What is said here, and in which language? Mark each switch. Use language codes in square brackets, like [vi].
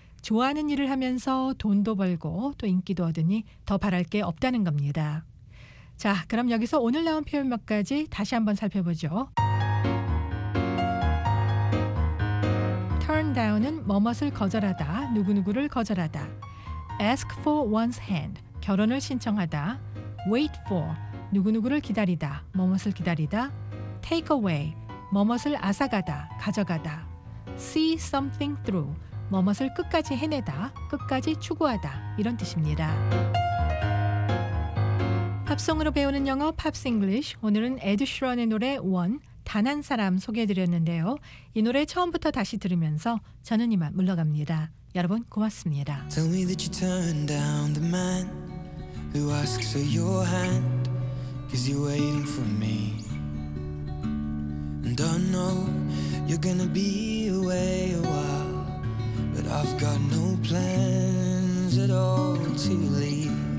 [ko] 좋아하는 일을 하면서 돈도 벌고 또 인기도 얻으니 더 바랄 게 없다는 겁니다. 자, 그럼 여기서 오늘 나온 표현 몇 가지 다시 한번 살펴보죠. [en] Turn down [ko] 은 뭐뭇을 거절하다, 누구누구를 거절하다. [en] Ask for one's hand, [ko] 결혼을 신청하다. [en] Wait for, [ko] 누구누구를 기다리다, 뭐뭇을 기다리다. [en] Take away, [ko] 뭐뭇을 앗아가다, 가져가다. [en] See something through, [ko] 뭐뭇을 끝까지 해내다, 끝까지 추구하다, 이런 뜻입니다. 팝송으로 배우는 영어 팝스 잉글리시. 오늘은 에드 슈런의 노래 원, 단 한 사람 소개해드렸는데요. 이 노래 처음부터 다시 들으면서 저는 이만 물러갑니다. 여러분 고맙습니다. [en] Tell me that you turned down the man who asks for your hand, 'cause you're waiting for me. And I know you're gonna be away a while, but I've got no plans at all to leave.